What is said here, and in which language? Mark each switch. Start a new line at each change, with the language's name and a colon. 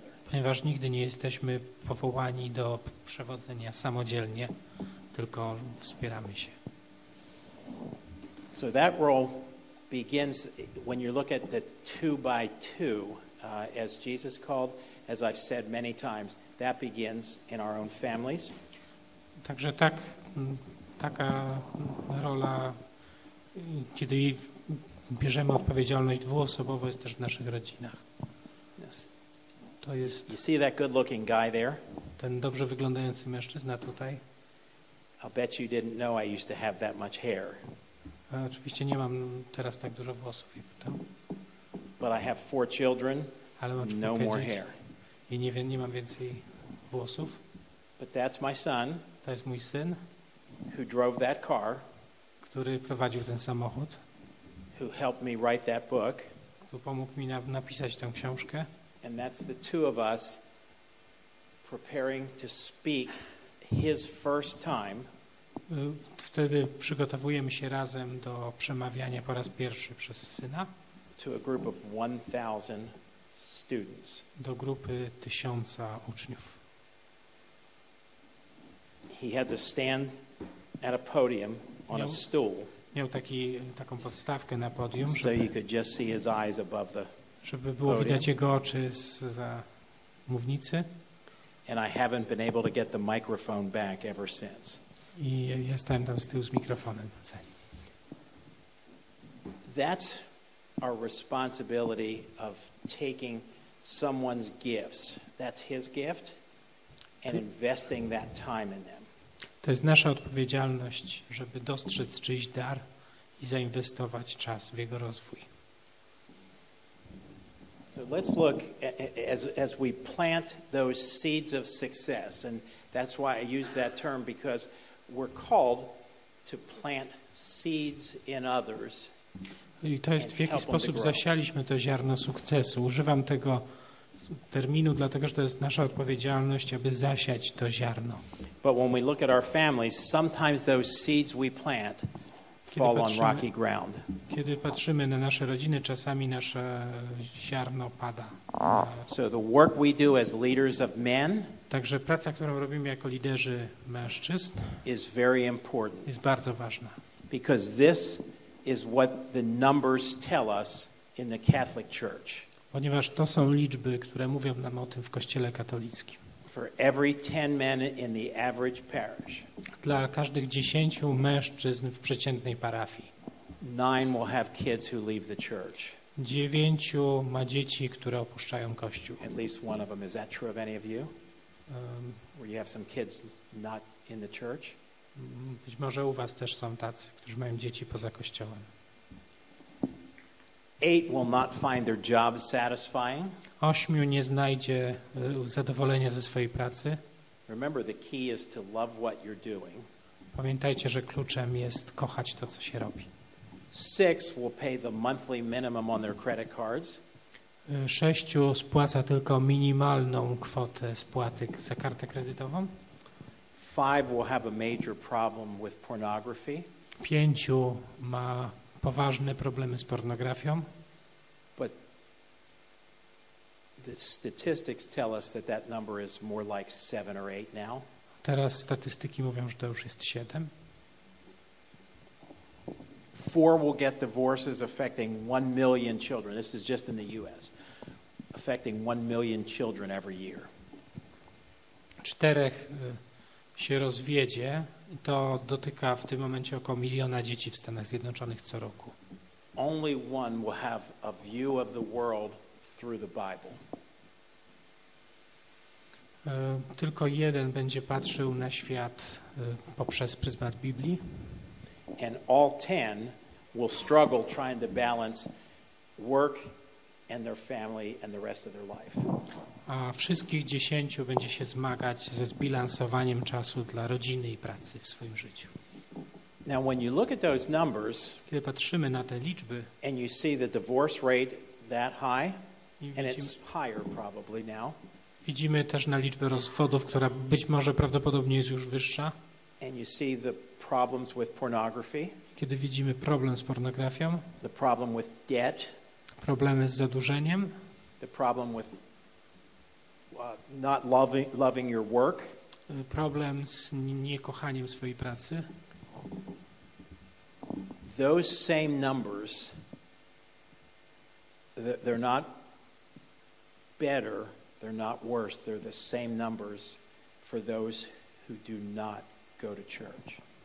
Polish: Ponieważ nigdy nie jesteśmy powołani do przewodzenia samodzielnie, tylko wspieramy się.
English: So that role begins when you look at the two by two, as Jesus called, as I've said many times, that begins in our own families.
Polish: Także tak, taka rola, kiedy bierzemy odpowiedzialność dwuosobowo, jest też w naszych rodzinach. To jest,
English: you see that good-looking guy there?
Polish: Ten dobrze wyglądający mężczyzna tutaj.
English: I bet you didn't know I used to have that much hair.
Polish: A oczywiście nie mam teraz tak dużo włosów.
English: But I have four children,
Polish: ale mam
English: no more hair.
Polish: I nie mam więcej włosów.
English: But that's my son,
Polish: to jest mój syn,
English: who drove that car,
Polish: który prowadził ten samochód,
English: who helped me write that book.
Polish: Kto pomógł mi napisać tę książkę.
English: And that's the two of us preparing to speak his first time.
Polish: Wtedy przygotowujemy się razem do przemawiania po raz pierwszy przez syna.
English: To a group of 1,000 students.
Polish: Do grupy 1000 uczniów.
English: He had to stand at a podium on a stool.
Polish: Miał taką podstawkę na podium,
English: so you could just see his eyes above the
Polish: żeby było
English: podium.
Polish: Widać jego oczy za mównicy.
English: And I haven't been able to get the microphone back ever since.
Polish: I ja stałem tam z tyłu z mikrofonem.
English: That's our responsibility of taking someone's gifts. That's his gift, and investing that time in them.
Polish: To jest nasza odpowiedzialność, żeby dostrzec czyjś dar i zainwestować czas w jego rozwój.
English: So let's look as we plant those seeds of success, and that's why I use that term, because we're called to plant seeds in others.
Polish: I to jest, w jaki sposób zasialiśmy to ziarno sukcesu. Używam tego terminu, dlatego że to jest nasza odpowiedzialność, aby zasiać to ziarno.
English: But when we look at our families, sometimes those seeds we plant fall on rocky ground.
Polish: Kiedy patrzymy na nasze rodziny, czasami nasze ziarno pada.
English: So the work we do as leaders of men,
Polish: także praca, którą robimy jako liderzy mężczyzn,
English: is very important.
Polish: Jest bardzo ważna.
English: Because this is what the numbers tell us in the Catholic Church.
Polish: Ponieważ to są liczby, które mówią nam o tym w Kościele katolickim.
English: For every 10 men in the average parish.
Polish: Dla każdych 10 mężczyzn w przeciętnej parafii.
English: 9 will have kids who leave the church.
Polish: 9 ma dzieci, które opuszczają Kościół.
English: At least one of them. Is that true of any of you? Where you have some kids not in the church?
Polish: Być może u was też są tacy, którzy mają dzieci poza kościołem.
English: 8 will not find their job satisfying.
Polish: 8 nie znajdzie zadowolenia ze swojej pracy.
English: Remember, the key is to love what you're doing.
Polish: Pamiętajcie, że kluczem jest kochać to, co się robi.
English: 6 will pay the monthly minimum on their credit cards.
Polish: 6 spłaca tylko minimalną kwotę spłaty za kartę kredytową.
English: 5 will have a major problem with pornography.
Polish: 5 ma poważne problemy z pornografią.
English: But the statistics tell us that that number is more like 7 or 8 now.
Polish: Teraz statystyki mówią, że to już jest 7.
English: 4 will get divorces affecting 1 million children. This is just in the US. Affecting 1 million children every year.
Polish: 4 się rozwiedzie, to dotyka w tym momencie około 1 miliona dzieci w Stanach Zjednoczonych co roku.
English: Only one will have a view of the world through the Bible.
Polish: Tylko jeden będzie patrzył na świat poprzez pryzmat Biblii.
English: And all 10 will struggle trying to balance work and their family and the rest of their life.
Polish: A wszystkich 10 będzie się zmagać ze zbilansowaniem czasu dla rodziny i pracy w swoim życiu.
English: Now, when you look at those numbers,
Polish: kiedy patrzymy na te liczby,
English: and you see the divorce rate that high, and it's higher probably now,
Polish: widzimy też na liczbę rozwodów, która być może prawdopodobnie jest już wyższa,
English: and you see the problems with pornography,
Polish: kiedy widzimy problem z pornografią,
English: the problem with debt,
Polish: problemy z zadłużeniem,
English: the problem with not loving your work,
Polish: problem z niekochaniem swojej pracy.
English: Those same numbers, they're not better, they're not worse, they're the same numbers for those who do not go to church.